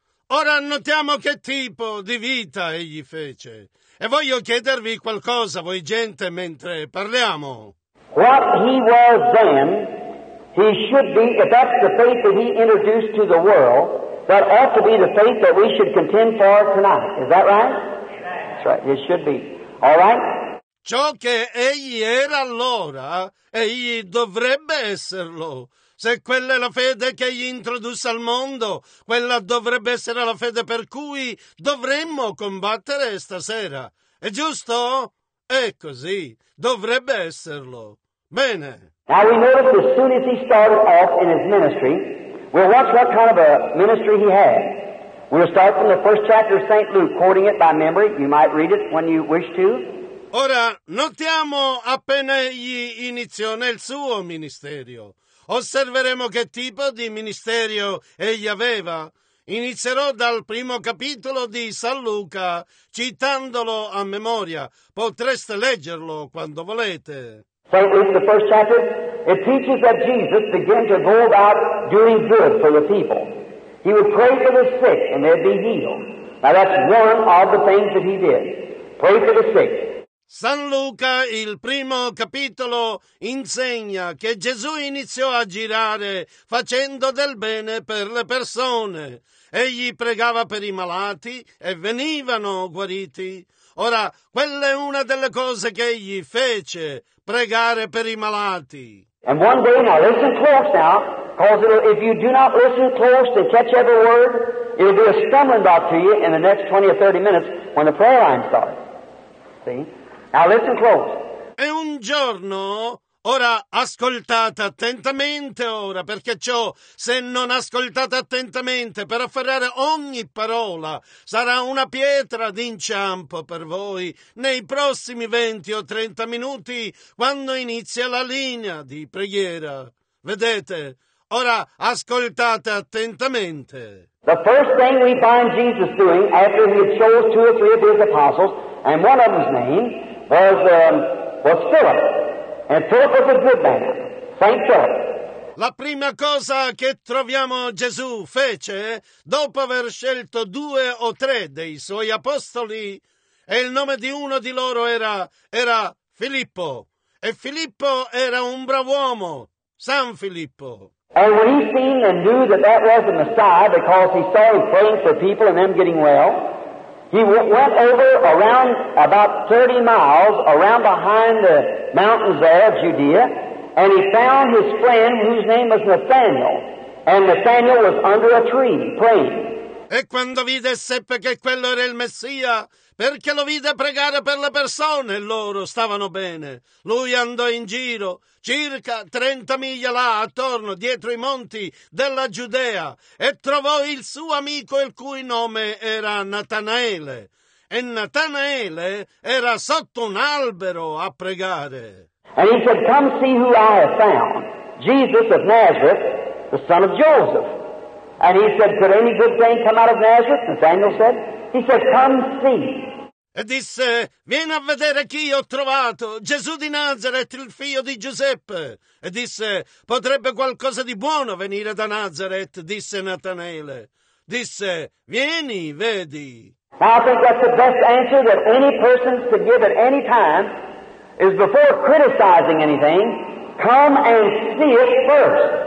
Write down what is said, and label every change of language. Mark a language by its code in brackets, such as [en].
[it] Ora notiamo che tipo di vita egli fece. E voglio chiedervi qualcosa, voi gente, mentre parliamo. [en] What he was then... He should be, if that's the faith that he introduced to the world, that ought to be the faith that we should contend for tonight. Is that right? That's right. It should be. All right? [it] Ciò che egli era allora, egli dovrebbe esserlo. Se quella è la fede che egli introdusse al mondo, quella dovrebbe essere la fede per cui dovremmo combattere stasera. È giusto? È così. Dovrebbe esserlo. Bene. [en] Now we notice as soon as he started off in his ministry, we'll watch what kind of a ministry he had. We'll start from the first chapter of St. Luke, quoting it by memory. You might read it when you wish to. [it] Ora, notiamo appena egli iniziò nel suo ministerio. Osserveremo che tipo di ministerio egli aveva. Inizierò dal primo capitolo di San Luca, citandolo a memoria. Potreste leggerlo quando volete. [en] St. Luke, the first chapter, it teaches that Jesus began to go about doing good for the people. He would pray for the sick and they'd be healed. Now that's one of the things that he did. Pray for the sick. [it] San Luca, il primo capitolo, insegna che Gesù iniziò a girare facendo del bene per le persone. Egli pregava per i malati e venivano guariti. Ora, quella è una delle cose che egli fece, pregare per i malati. [en] And one day, now listen close now, because if you do not listen close to catch every word, it'll be a stumbling block to you in the next 20 or 30 minutes when the prayer line starts. See? Now listen close. [it] E un giorno, ora ascoltate attentamente ora, perché ciò, se non ascoltate attentamente per afferrare ogni parola, sarà una pietra d'inciampo per voi nei prossimi 20 o 30 minuti quando inizia la linea di preghiera. Vedete, Ora, ascoltate attentamente. [en] The first thing we find Jesus doing after he had chosen two or three of his apostles, and one of them's name was Philip, and Philip was a good man, Saint Philip. [it] La prima cosa che troviamo Gesù fece, dopo aver scelto due o tre dei suoi apostoli, e il nome di uno di loro era Filippo, e Filippo era un bravo uomo, San Filippo. [en] And when he seen and knew that that was the Messiah, because he started praying for people and them getting well, he went over around about 30 miles around behind the mountains there of Judea, and he found his friend whose name was Nathanael, and Nathanael was under a tree praying. [it] E quando vide seppe che quello era il Messia, perché lo vide pregare per le persone e loro stavano bene. Lui andò in giro circa 30 miglia là attorno, dietro i monti della Giudea, e trovò il suo amico, il cui nome era Natanaele. E Natanaele era sotto un albero a pregare. [en] And he said, come see who I have found, Jesus of Nazareth, the son of Joseph. And he said, could any good thing come out of Nazareth? Nathanael said. He said, come see. [it] E disse, vieni a vedere chi ho trovato, Gesù di Nazareth, il figlio di Giuseppe. E disse, potrebbe qualcosa di buono venire da Nazareth, disse Natanaele. Disse, vieni, vedi. [en] Now I think that's the best answer that any person could give at any time, is before criticizing anything, come and see it first.